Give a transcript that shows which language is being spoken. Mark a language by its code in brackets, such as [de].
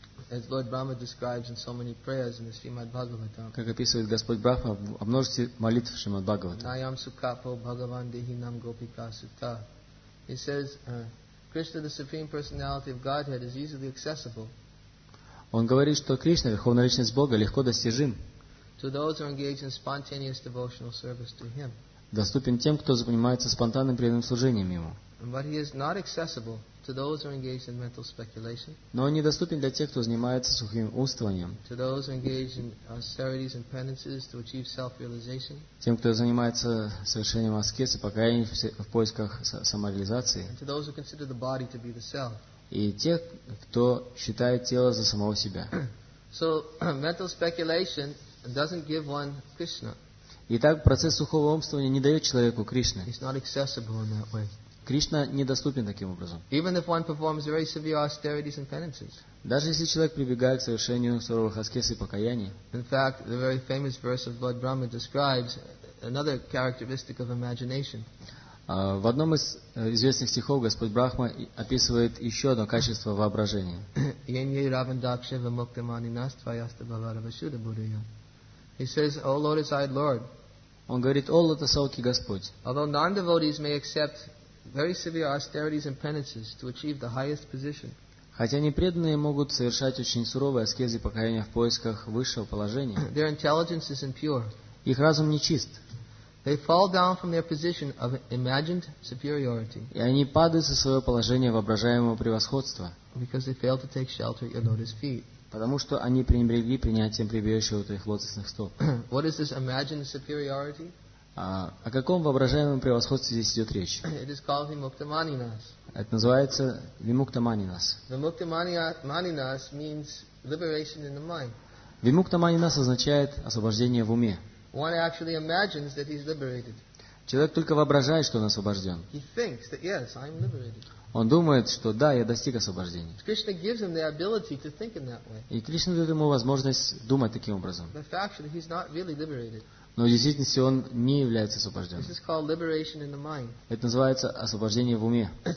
[en] As Lord Brahma describes in so many prayers in the Srimad Bhagavatam. [ru] Как описывает Господь Брахма во множестве молитв Шримад Бхагаватам. [sa] Nayam sukapo bhagavan dehinam gopika sutta. [en] He says, Krishna, the Supreme Personality of Godhead, is easily accessible. [ru] Он говорит, что Кришна, Верховная Личность Бога, легко достижим. [en] To those who engage in spontaneous devotional service to Him. [ru] Доступен тем, кто занимается спонтанным преданным служением Ему. [en] But he is not accessible to those who are engaged in mental speculation. [ru] Но он недоступен для тех, кто занимается сухим умствованием. [en] To those who engage in austerities and penances to achieve self-realization. [ru] Тем, кто занимается совершением аскез и покаяния в поисках самореализации. [en] And to those who consider the body to be the self. [ru] И тех, кто считает тело за самого себя. [en] So mental speculation doesn't give one Krishna. [ru] Итак, процесс сухого умствования не дает человеку Кришны. [en] It's not accessible in that way. [ru] Кришна недоступен таким образом. [en] Even if one performs very severe austerities and penances. [ru] Даже если человек прибегает к совершению суровых аскез и покаяний. [en] In fact, the very famous verse of Lord Brahma describes another characteristic of imagination. [ru] В одном из известных стихов Господь Брахма описывает еще одно качество воображения. [en] He says, "O Lord, Lotus-eyed Lord." [ru] Он говорит: "О лотосовки Господь." [en] Although non-devotees may accept very severe austerities and penances to achieve the highest position. [ru] Хотя непреданные могут совершать очень суровые аскезы и покаяния в поисках высшего положения. [en] Their intelligence is impure. [ru] Их разум нечист. [en] They fall down from their position of imagined superiority. [ru] И они падают со своего положения воображаемого превосходства. [en] Because they fail to take shelter at your lotus feet. [ru] Потому что они пренебрегли принятием прибежища у твоих лотосных стоп. [en] What is this imagined superiority? [ru] О каком воображаемом превосходстве здесь идет речь? Это называется вимуктаманинас. [en] Вимуктаманинас means liberation in the mind. [ru] Вимуктаманинас означает освобождение в уме. [en] One actually imagines that he's liberated. [ru] Человек только воображает, что он освобожден. [en] He thinks that, yes, I'm liberated. [ru] Он думает, что да, я достиг освобождения. [en] Krishna gives him the ability to think in that way. [ru] И Кришна дает ему возможность думать таким образом. [en] But factually, he's not really liberated. [ru] Но в действительности он не является освобожденным. Это называется освобождение в уме.